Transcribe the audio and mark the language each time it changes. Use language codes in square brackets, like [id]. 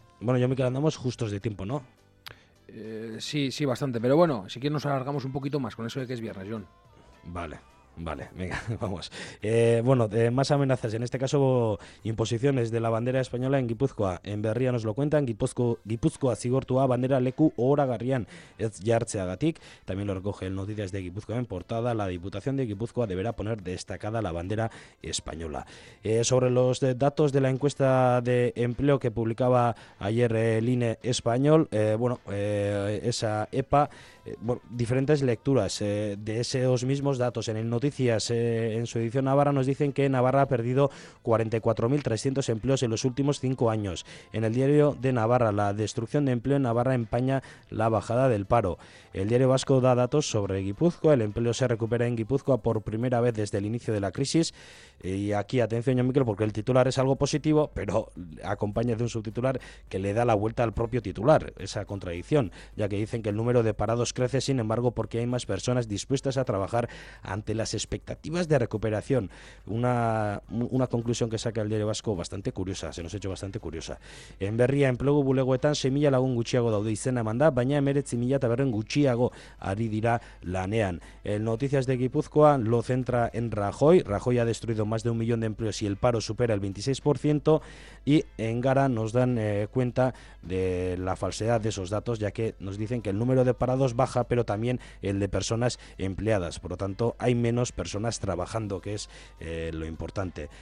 [es] Bueno, yo, Miquel, andamos justos de tiempo, ¿no? Sí, bastante. Pero bueno, si quieres nos alargamos un poquito más con eso de que es viernes, John. Vale, venga, vamos. Bueno, más amenazas. En este caso, imposiciones de la bandera española en Gipuzkoa. En Berria nos lo cuentan. [eu] Gipuzkoa, zigortua, bandera leku, ora garrian, ez jartzeagatik. [es] También lo recoge el Noticias de Gipuzkoa en portada. La Diputación de Gipuzkoa deberá poner destacada la bandera española. Sobre los datos de la encuesta de empleo que publicaba ayer el INE español, esa EPA, bueno, diferentes lecturas de esos mismos datos. En el Noticias, en su edición Navarra, nos dicen que Navarra ha perdido 44.300 empleos en los últimos 5 años. En el Diario de Navarra, la destrucción de empleo en Navarra empaña la bajada del paro. El Diario Vasco da datos sobre Gipuzkoa. El empleo se recupera en Gipuzkoa por primera vez desde el inicio de la crisis. Y aquí, atención, John Miquel, porque el titular es algo positivo, pero acompaña de un subtitular que le da la vuelta al propio titular, esa contradicción, ya que dicen que el número de parados crece, sin embargo, porque hay más personas dispuestas a trabajar ante las expectativas de recuperación. Una conclusión que saca el Diario Vasco bastante curiosa, se nos ha hecho bastante curiosa. [eu] En Berria, enplegu bulegoetan 6.000 lagun gutxiago daude izena emanda, baina 19.200 gutxiago ari dira lanean. [es] El Noticias de Gipuzkoa lo centra en Rajoy. Rajoy ha destruido más de 1.000.000 de empleos y el paro supera el 26%. Y en Gara nos dan cuenta de la falsedad de esos datos, ya que nos dicen que el número de parados baja, pero también el de personas empleadas. Por lo tanto, hay menos personas trabajando, que es lo importante.